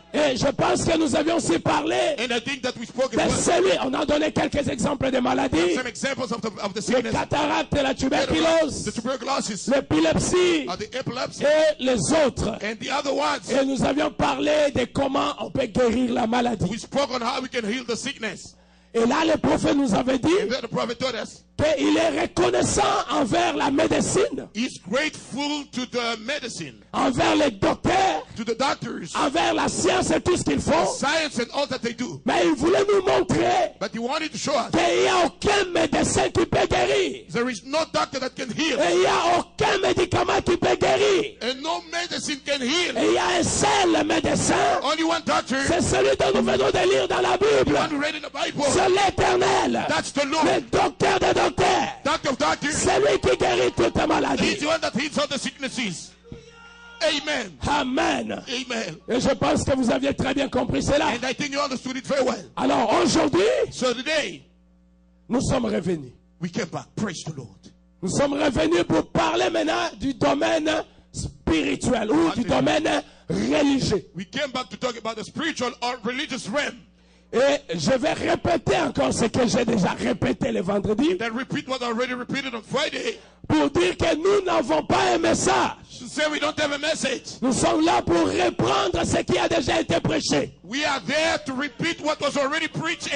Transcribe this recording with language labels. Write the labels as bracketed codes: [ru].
[fr] Et je pense que nous avions aussi parlé de celui, on a donné quelques exemples de maladies, le cataracte, la tuberculose, [en] tuberculosis, [fr] l'épilepsie et les autres. [en] And the other ones. [fr] Et nous avions parlé de comment on peut guérir la maladie. [en] We spoke on how we can heal the sickness. [fr] Et là, le prophète nous avait dit qu'il est reconnaissant envers la médecine, [en] he's grateful to the medicine, [fr] envers les docteurs, [en] to the doctors, [fr] envers la science et tout ce qu'ils font. [en] Science and all that they do. [fr] Mais il voulait nous montrer [en] but he wanted to show us [fr] qu'il n'y a aucun médecin qui peut guérir. [en] There is no doctor that can heal. [fr] Et il n'y a aucun médicament qui peut guérir. [en] And no medicine can heal. [fr] Et il y a un seul médecin. [en] Only one doctor. [fr] C'est celui dont nous venons de lire dans la Bible. [en] The one read in the Bible. [fr] C'est l'Éternel, [en] that's the Lord. [fr] Le docteur des docteurs, [en] doctor of doctors, [fr] celui qui guérit toutes les maladies. [en] He's the one that heals all the sicknesses. Amen. Amen. Amen. [fr] Et je pense que vous aviez très bien compris cela. [en] And I think you understood it very well. [fr] Alors aujourd'hui, [en] so today, [fr] nous sommes revenus. [en] We came back. Praise the Lord. [fr] Nous sommes revenus pour parler maintenant du domaine spirituel ou du domaine religieux. [en] We came back to talk about the spiritual or religious realm. [fr] Et je vais répéter encore ce que j'ai déjà répété le vendredi. [en] Then repeat what I already repeated on Friday. [fr] Pour dire que nous n'avons pas un message. [en] So we don't have a message. [fr] Nous sommes là pour reprendre ce qui a déjà été prêché. [en] We are there to repeat what was already preached.